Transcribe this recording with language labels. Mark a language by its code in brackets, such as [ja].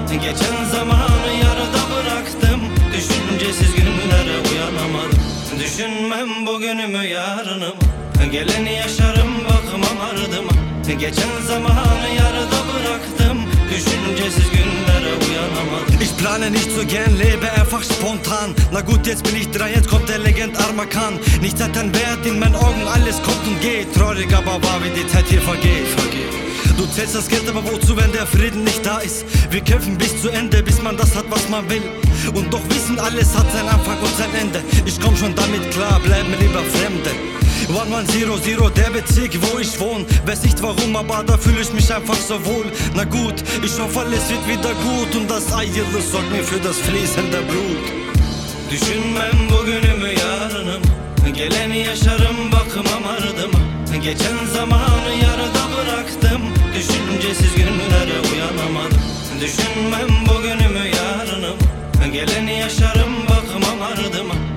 [tr] Geçen zamanı yarıda bıraktım, düşüncesiz günlere uyanamadım. Düşünmem bugünümü yarınımı, geleni yaşarım bakmam ardıma. Geçen zamanı yarıda bıraktım, düşüncesiz günlere uyanamadım. [de] Ich plane nicht so gern, lebe einfach spontan. Na gut, jetzt bin ich dran, jetzt kommt der Legend Armakan. Nichts hat einen Wert in meinen Augen, alles kommt und geht. Traurig aber war, wie die Zeit hier vergeht. Du zählst das Geld, aber wozu, wenn der Frieden nicht da ist? Wir kämpfen bis zu Ende, bis man das hat, was man will. Und doch wissen, alles hat sein Anfang und sein Ende. Ich komm schon damit klar, bleib mir lieber Fremde. 1100, der Bezirk, wo ich wohn. Weiß nicht warum, aber da fühle ich mich einfach so wohl. Na gut, ich hoffe alles wird wieder gut. Und das Eierle sorgt mir für das fließende Blut. [tr] Düşünmem bugünümü yarınımı, geleni yaşarım bakmam ardıma. Geçen zamanı yarıda bıraktım, düşüncesiz günlere uyanamadım. Düşünmem bugünümü yarınımı, geleni yaşarım bakmam ardıma.